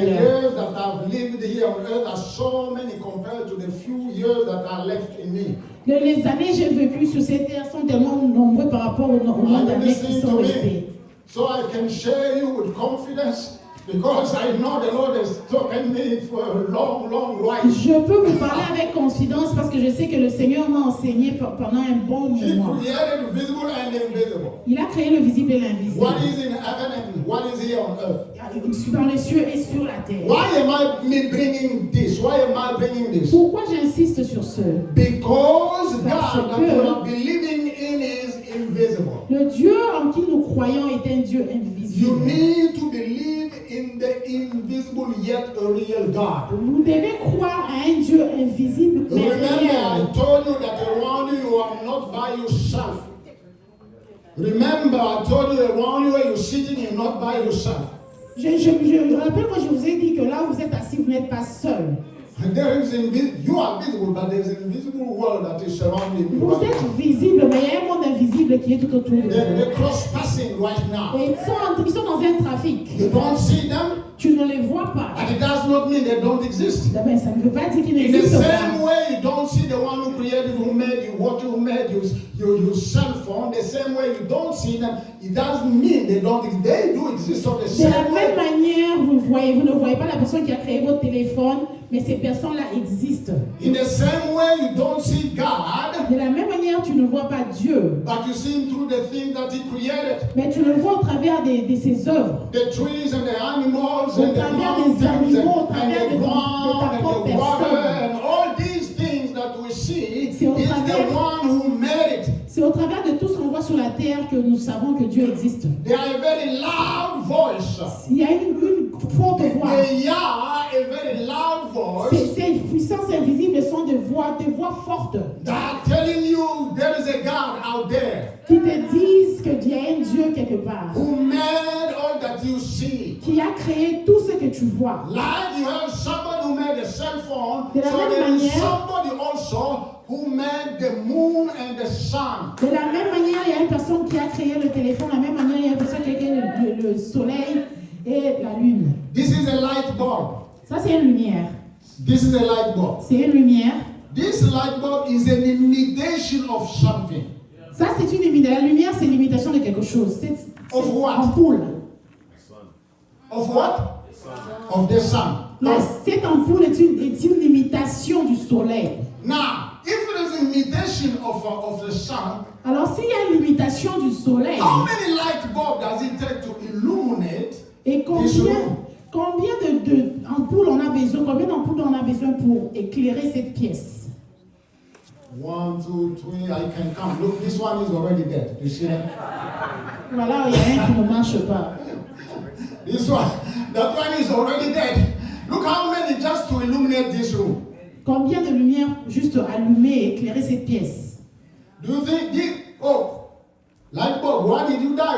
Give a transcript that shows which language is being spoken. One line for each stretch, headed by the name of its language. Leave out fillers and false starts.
English: The years that I've lived here on earth are so many compared to the few years that are left in me.
French: Les années que j'ai vécues sur cette terre sont tellement nombreuses par rapport au nombre d'années qui sont restées.
English: So I can share you with confidence. Because I know the Lord has taken me for a long, long life.
French: Je peux vous parler avec confiance parce que je sais que le Seigneur m'a enseigné pendant un bon moment.
English: He created the visible and invisible.
French: Il a créé le visible et l'invisible.
English: What is in heaven and what is here on earth?
French: Dans les cieux et sur la terre.
English: Why am I bringing this?
French: Pourquoi j'insiste sur ce?
English: Because parce God that we are believing in is invisible.
French: Le Dieu en qui nous croyons est un Dieu invisible.
English: You need to believe in the invisible yet a real God.
French: Vous devez croire à un Dieu invisible mais réel.
English: Remember, I told you that around you are not by yourself. Remember, I told you around you where you're sitting, you're not by yourself.
French: Je rappelle quand je vous ai dit que là où vous êtes assis, vous n'êtes pas seul.
English: There is you are visible, but there is an invisible world that is surrounding you.
French: Vous êtes visible, mais il y a un monde invisible qui est tout autour de vous.
English: They're cross passing right now.
French: Ils sont dans un trafic.
English: You don't see them.
French: Tu ne les vois pas.
English: And it does not mean they don't exist.
French: Ça ne veut pas dire qu'ils n'existent
English: pas. In the same way, you don't see the one who created, who made you, what you made, your cell phone. The same way, you don't see them. It doesn't mean they don't exist. They do exist. On the same way.
French: De la même manière, vous ne voyez pas la personne qui a créé votre téléphone. Mais ces personnes-là existent.
English: In the same way, you don't see God,
French: de la même manière, tu ne vois pas Dieu.
English: But you see him through the things that he created.
French: Mais tu le vois au travers de ses œuvres.
English: The trees and the animals and the mountains and the ground and the water and all these things that we see is the one who made it.
French: C'est au travers de tout ce qu'on voit sur la terre que nous savons que Dieu existe.
English: They are a very loud voice.
French: Il y a une forte voix.
English: They are a very loud voice.
French: Ces puissances invisibles sont des voix fortes.
English: They are telling you there is a God out there.
French: Qui te disent que Dieu est Dieu quelque part.
English: Who made all that you see?
French: Qui a créé tout ce que tu vois?
English: Like you have somebody who made a cell phone.
French: De la même manière,
English: somebody also who made the moon and the sun.
French: De la même manière, il y a une personne qui a créé le téléphone. De la même manière, il y a une personne qui a créé le soleil et la lune.
English: This is a light bulb.
French: Ça c'est une lumière.
English: This is a light bulb.
French: C'est une lumière.
English: This light bulb is an imitation of something.
French: Ça c'est une imitation. La lumière c'est l'imitation de quelque chose. C'est
English: of what?
French: Ampoule.
English: Of what? Of the sun.
French: Non, cette ampoule est une imitation du soleil.
English: Now, if it is an imitation of the sun.
French: Alors s'il y a une imitation du soleil.
English: How many light bulb does it take to illuminate?
French: Et combien de ampoules on a besoin? Combien d'ampoules on a besoin pour éclairer cette pièce?
English: 1, 2, 3, I can count. Look, this one is already dead. You see that?
French: Voilà, il y a un qui ne marche pas.
English: This one, that one is already dead. Look how many just to illuminate this room.
French: Combien de lumières juste allumer et éclairer cette pièce?
English: Do you think, light bulb, why did you die?